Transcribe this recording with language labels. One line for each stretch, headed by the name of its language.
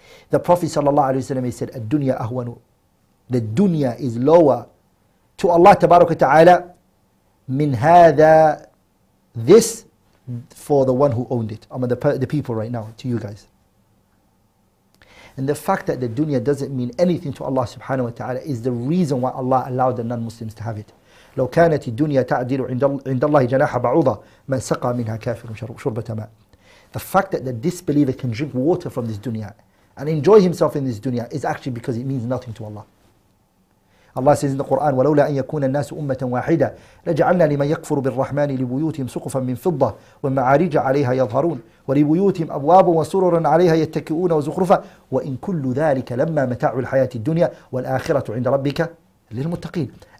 English: The Prophet ﷺ said,
Arabic: الدنيا أهون.
English: The dunya is lower to Allah tabaraka ta'ala
Arabic: min hadha,
English: this for the one who owned it. I'm the people right now, to you guys. And the fact that the dunya doesn't mean anything to Allah subhanahu wa ta'ala is the reason why Allah allowed the non-Muslims to have it.
Arabic: لو كانت الدنيا تعدل عند الله جناح بعوضة ما سقى منها كافر شربة ماء.
English: The fact that the disbeliever can drink water from this dunya and enjoy himself in this dunya is actually because it means nothing to Allah. Allah says in the Quran,
Arabic: وَلَوْلَا أَن يَكُونَ النَّاسُ أُمَّةً وَاحِدَةً لَجَعَلْنَا لِمَنْ يَكْفُرُ بِالرَّحْمَنِ لِبُيُوتِهِمْ سُقُفًا مِنْ فِضَّةٍ وَمَعَارِجَ عَلَيْهَا يَظْهَرُونَ وَلِبُيُوتِهِمْ أَبْوَابٌ وَسُرُرًا عَلَيْهَا يَتَّكِئُونَ وَزُخْرُفًا وَإِنْ كُلُّ ذَلِكَ لَمَّا مَتَاعُ الْحَيَاةِ الدُّنْيَا وَالْآخِرَةُ عِنْدَ رَبِّكَ لِلْمُتَّقِينَ.